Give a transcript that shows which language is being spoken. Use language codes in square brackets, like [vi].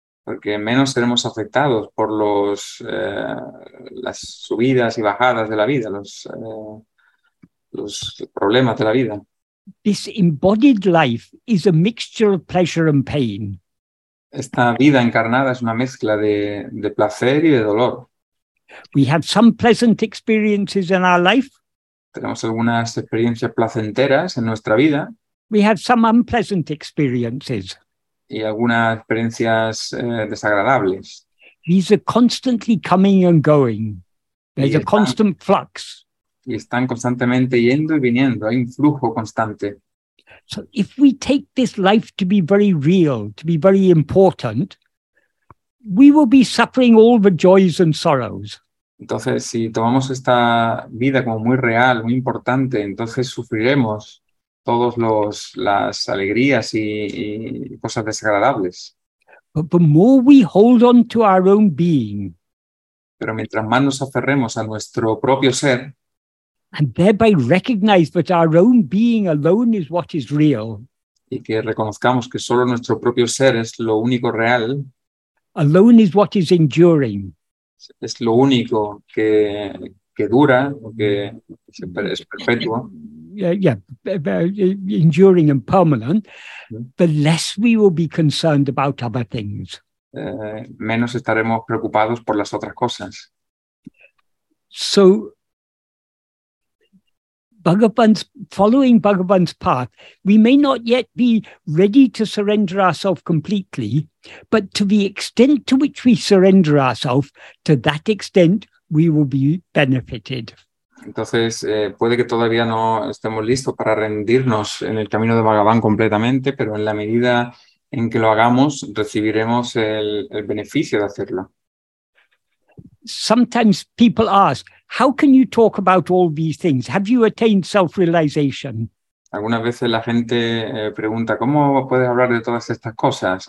[es] Porque menos seremos afectados por las subidas y bajadas de la vida, los problemas de la vida. [en] This embodied life is a mixture of pleasure and pain. [es] Esta vida encarnada es una mezcla de placer y de dolor. [en] We have some pleasant experiences in our life. [es] Tenemos algunas experiencias placenteras en nuestra vida. [en] We have some unpleasant experiences. [es] Y algunas experiencias desagradables. [en] These are constantly coming and going. There's a constant flux. [es] Y están constantemente yendo y viniendo. Hay un flujo constante. [en] So if we take this life to be very real, to be very important, we will be suffering all the joys and sorrows. [es] Entonces, si tomamos esta vida como muy real, muy importante, entonces sufriremos todos las alegrías y cosas desagradables. [en] But the more we hold on to our own being, [es] pero mientras más nos aferremos a nuestro propio ser, [en] and thereby recognize that our own being alone is what is real, [es] y que reconozcamos que solo nuestro propio ser es lo único real. [en] Alone is what is enduring. [es] Es lo único que dura, que siempre es perpetuo. [en] Enduring and permanent. The less we will be concerned about other things. [es] Menos estaremos preocupados por las otras cosas. [en] So, following Bhagavan's path, we may not yet be ready to surrender ourselves completely, but to the extent to which we surrender ourselves, to that extent we will be benefited. [es] Entonces, puede que todavía no estemos listos para rendirnos en el camino de Bhagavan completamente, pero en la medida en que lo hagamos, recibiremos el beneficio de hacerlo. [en] Sometimes people ask, how can you talk about all these things? Have you attained self-realization? [es] Algunas veces la gente pregunta, ¿cómo puedes hablar de todas estas cosas?